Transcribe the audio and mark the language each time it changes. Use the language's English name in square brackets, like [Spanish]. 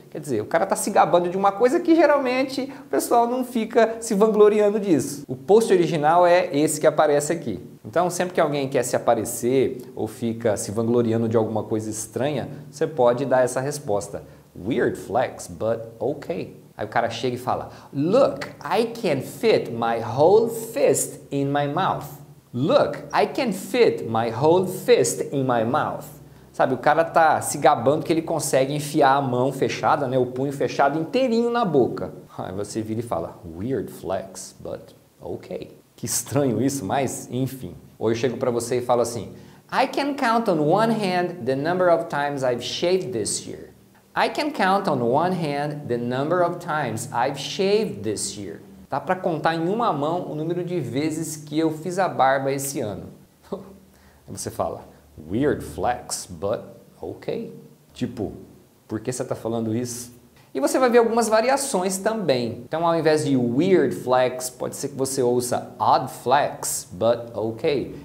[Portuguese] Quer dizer, o cara tá se gabando de uma coisa que geralmente o pessoal não fica se vangloriando disso. O post original é esse que aparece aqui. Então, sempre que alguém quer se aparecer ou fica se vangloriando de alguma coisa estranha, você pode dar essa resposta. [English] Weird flex, but okay. [Portuguese] Aí o cara chega e fala, [English] look, I can fit my whole fist in my mouth. Look, I can fit my whole fist in my mouth. [Portuguese] Sabe, o cara tá se gabando que ele consegue enfiar a mão fechada, né, o punho fechado inteirinho na boca. Aí você vira e fala, [English] weird flex, but okay. [Portuguese] Que estranho isso, mas enfim. Ou eu chego pra você e falo assim, [English] I can count on one hand the number of times I've shaved this year. I can count on one hand the number of times I've shaved this year. [Portuguese] Dá pra contar em uma mão o número de vezes que eu fiz a barba esse ano. Aí você fala, [English] weird flex, but okay. [Portuguese] Tipo, por que você tá falando isso? E você vai ver algumas variações também. Então ao invés de [English] weird flex, [Portuguese] pode ser que você ouça [English] odd flex, but okay.